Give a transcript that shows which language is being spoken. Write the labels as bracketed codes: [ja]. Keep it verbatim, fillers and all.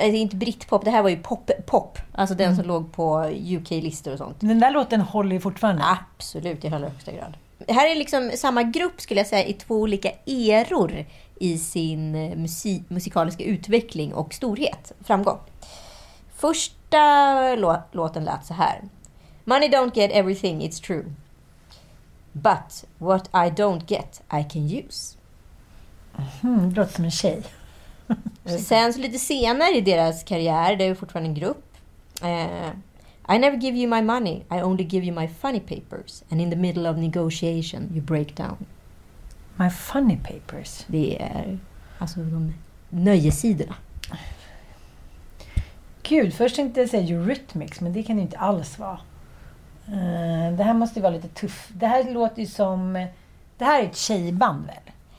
[sv] Äh, inte brittpop. Det här var ju pop-pop. Alltså den mm. som låg på U K-listor och sånt. Den där låten håller ju fortfarande. Absolut, i allra högsta grad. Det här är liksom samma grupp, skulle jag säga, i två olika eror i sin musik, musikaliska utveckling och storhet, framgång. Första lå- låten lät så här. [en] Money don't get everything, it's true. But what I don't get, I can use. [sv] Mm, det låter som en tjej. Sen så lite senare i deras karriär, det är fortfarande en grupp. [en] Eh, I never give you my money, I only give you my funny papers. And in the middle of negotiation you break down. My funny papers? [sv] Det är alltså de nöjesidorna. Gud, först tänkte jag säga Eurythmics, men det kan det inte alls vara. Uh, det här måste ju vara lite tuff. Det här låter ju som... Det här är ett tjejband väl?